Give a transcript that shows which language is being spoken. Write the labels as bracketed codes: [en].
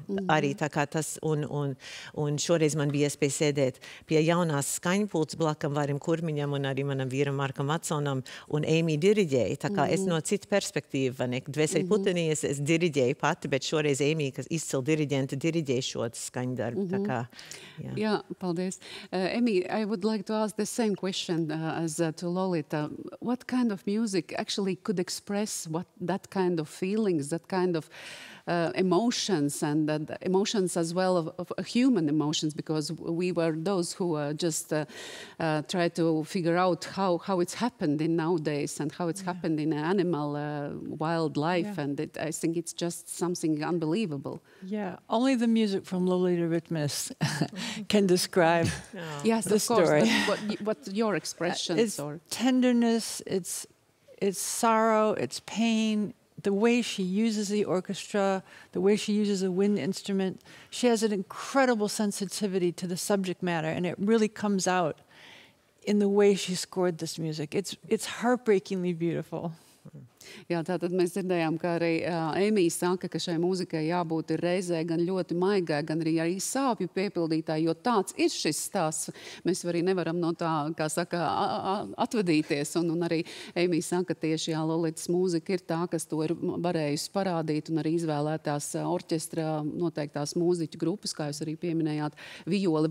[lv] Arī tā kā tas, un šoreiz man bija iespēja sēdēt pie jaunās skaņpultas blakam Varim Kurmiņam un arī manam vīram Markam Vaconam, un Eimija diriģēja. Tā kā es no citu perspektīvu, dvēseļu puteni, es diriģēju pati, bet šoreiz Eimija, kas izcila diriģenta, diriģēja šo skaņdarbu. Tā kā, jā. Jā, paldies. [en] Eimija, I would like to ask the same question to Lolita, what kind of music actually could express what that kind of feelings, that kind of emotions and the emotions as well of human emotions, because we were those who just try to figure out how it's happened in nowadays and how it's happened in animal wildlife. Yeah. And it, I think it's just something unbelievable. Yeah, only the music from Lolita Rytmus can describe yes, the of course, story. What your expressions it's or tenderness, it's sorrow, it's pain. The way she uses the orchestra, the way she uses a wind instrument, she has an incredible sensitivity to the subject matter, and it really comes out in the way she scored this music. It's heartbreakingly beautiful. [lv] Jā, tātad mēs dzirdējām, ka arī Emija saka, ka šai mūzikai jābūt reizē gan ļoti maigai, gan arī arī sāpju piepildītāji, jo tāds ir šis stāsts. Mēs arī nevaram no tā, kā saka, atvadīties. Un arī Emija saka, ka tieši jā, Lolitas mūzika ir tā, kas to ir varējusi parādīt un arī izvēlētās orķestra noteiktās mūziķu grupas, kā jūs arī pieminējāt, vijoli.